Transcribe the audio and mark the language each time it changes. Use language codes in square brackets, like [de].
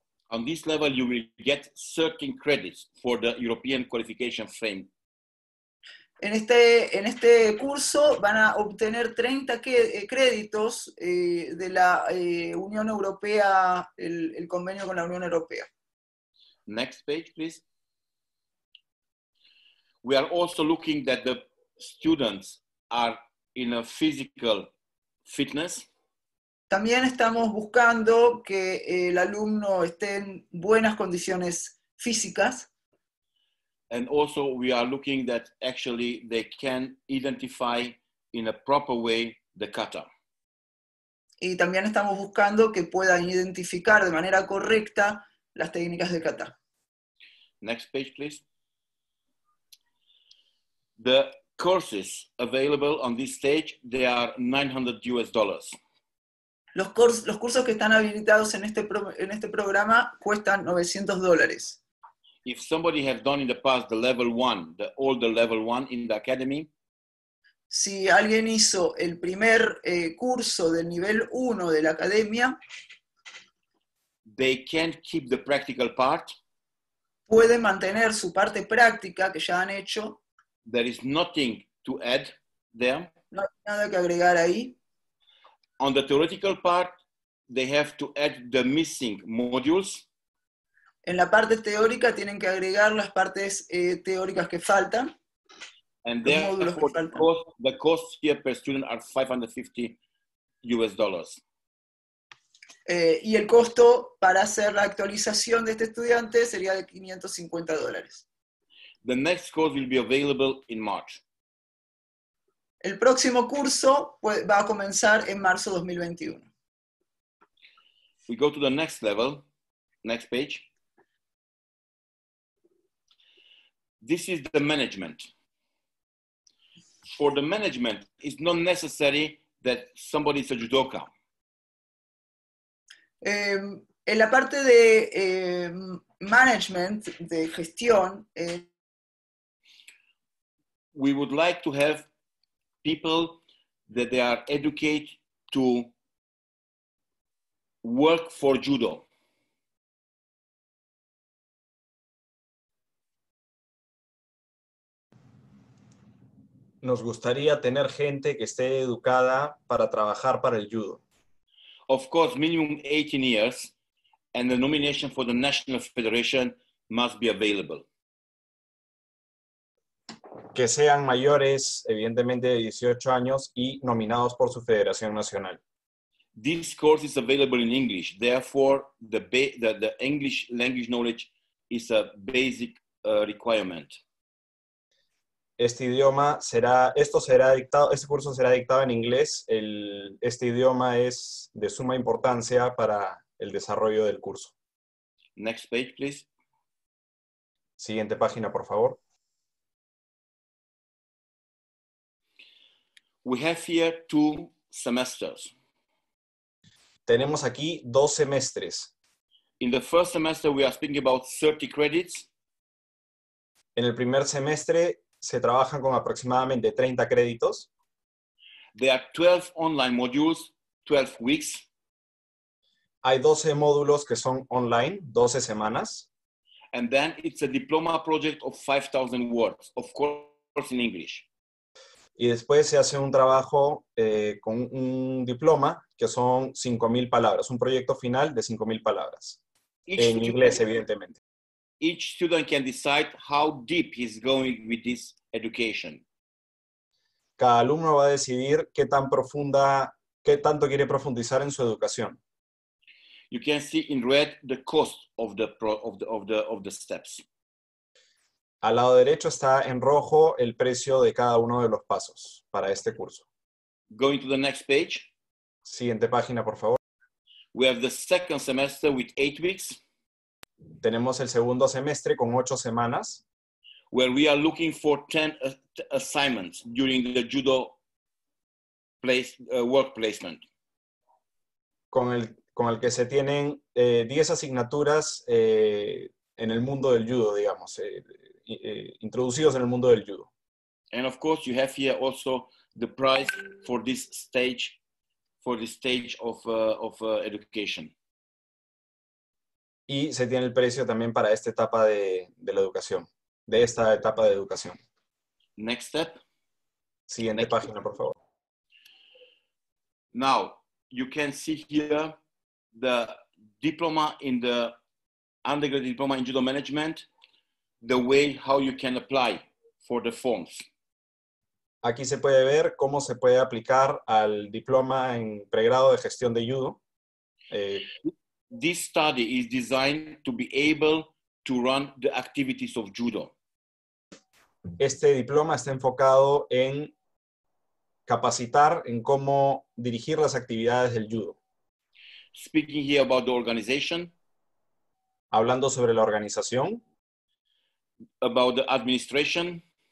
[en] On this level, you will get 13 credits for the European qualification frame. [es] En este curso van a obtener 30 créditos de la Unión Europea, el convenio con la Unión Europea. [en] Next page, please. We are also looking that the students are in a physical fitness. [es] También estamos buscando que el alumno esté en buenas condiciones físicas. [en] And also we are looking that actually they can identify in a proper way the kata. [es] Y también estamos buscando que puedan identificar de manera correcta las técnicas de kata. [en] Next page, please. The courses available on this stage, they are $900. [es] Los cursos que están habilitados en este programa cuestan $900. [en] If somebody has done in the past the level one, the older level one in the academy. [es] Si alguien hizo el primer curso del nivel 1 de la academia. [en] They can't keep the practical part. [es] Pueden mantener su parte práctica que ya han hecho. [en] There is nothing to add there. [es] No hay nada que agregar ahí. [en] On the theoretical part, they have to add the missing modules. [es] En la parte teórica tienen que agregar las partes teóricas que faltan. [en] And then, of course, the cost here per student are $550. [es] Y el costo para hacer la actualización de este estudiante sería de $550. [en] The next course will be available in March. [es] El próximo curso va a comenzar en marzo 2021. [en] We go to the next level. Next page. This is the management. For the management, it's not necessary that somebody is a judoka. [es] En la parte de management, de gestión, [en] we would like to have people that they are educated to work for judo. [es] Nos gustaría tener gente que esté educada para trabajar para el judo. [en] Of course, minimum 18 years, and the nomination for the National Federation must be available. [es] Que sean mayores, evidentemente, de 18 años y nominados por su Federación Nacional. [en] This course is available in English, therefore the English language knowledge is a basic requirement. [es] Este idioma será, esto será dictado, este curso será dictado en inglés. Este idioma es de suma importancia para el desarrollo del curso. [en] Next page, please. [es] Siguiente página, por favor. [en] We have here two semesters. [es] Tenemos aquí dos semestres. [en] In the first semester, we are speaking about 30 credits. [es] En el primer semestre se trabajan con aproximadamente 30 créditos. [en] There are 12 online modules, 12 weeks. [es] Hay 12 módulos que son online, 12 semanas. [en] And then it's a diploma project of 5,000 words, of course in English. [es] Y después se hace un trabajo con un diploma que son 5,000 palabras, un proyecto final de 5,000 palabras. En inglés, evidentemente. [en] Each student can decide how deep he's going with this education. [es] Cada alumno va a decidir qué tanto quiere profundizar en su educación. [en] You can see in red the cost of the steps. [es] Al lado derecho está en rojo el precio de cada uno de los pasos para este curso. [en] Going to the next page. [es] Siguiente página, por favor. [en] We have the second semester with 8 weeks. [es] Tenemos el segundo semestre con 8 semanas. [en] Where we are looking for 10 assignments during the judo work placement. [es] Con el que se tienen 10 asignaturas en el mundo del judo, digamos, introducidos en el mundo del judo. [en] And of course you have here also the price for this stage of education. [es] Y se tiene el precio también para esta etapa de la educación, de esta etapa de educación. [en] Next step. [es] Siguiente [en] Next [es] página, por favor. [en] Now, you can see here the diploma in the undergraduate diploma in judo management, the way how you can apply for the forms. [es] Aquí se puede ver cómo se puede aplicar al diploma en pregrado de gestión de judo. [en] This study is designed to be able to run the activities of judo. [es] Este diploma está enfocado en capacitar en cómo dirigir las actividades del judo. [en] Speaking here about the organization. [es] Hablando sobre la organización. [en] About the administration.